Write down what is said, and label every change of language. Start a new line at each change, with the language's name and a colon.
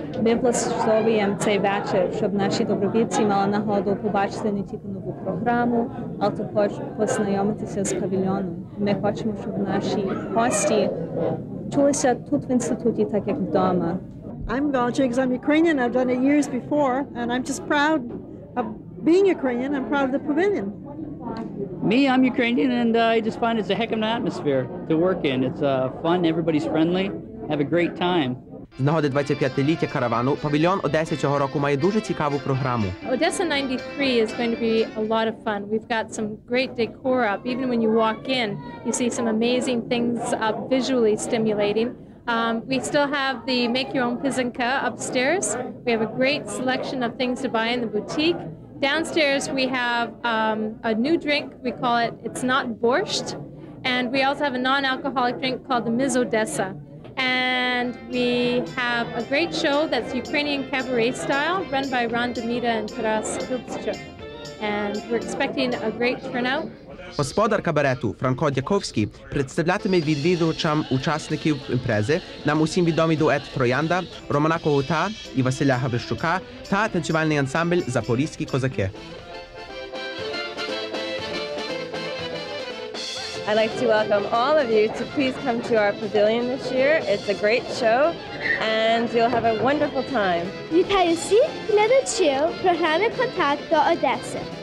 Ukrainian: Ми влаштовуємо цей вечір, щоб наші добровільці мали нагоду побачити не тільки нову програму, а також познайомитися з павільйоном. Хочемо, щоб наші гості чулися тут в інституті, так як вдома.
English: I'm Valjay, because I'm Ukrainian. I've done it years before, and I'm just proud of being Ukrainian. I'm proud of the pavilion. Me, I'm Ukrainian, and I just find it's a heck of an atmosphere to work in. It's fun, everybody's friendly. Have a great time.
Ukrainian: З нагоди 25-ліття каравану павільйон Одеси цього року має дуже цікаву програму.
English: Odessa 93 is going to be a lot of fun. We've got some great decor up. Even when you walk in, you see some amazing things up, visually stimulating. We still have the make your own pizanka upstairs. We have a great selection of things to buy in the boutique. Downstairs we have a new drink. We call it it's not borscht, and we also have a non-alcoholic drink called the Miz Odessa. And we have a great show that's Ukrainian cabaret style, run by Ron Demita and Taras Kubschuk. And we're expecting a great turnout.
Ukrainian: Господар кабарету Франко Дяковський представлятиме відвідувачам учасників імпрези нам усім відомі дует «Троянда», Романа Когута і Василя Габищука та танцювальний ансамбль «Запорізькі козаки».
English: I'd like to welcome all of you to please come to our pavilion this year. It's a great show and you'll have a wonderful time.
Ukrainian: Вітаю всіх глядачів програми «Контакт до Одеси».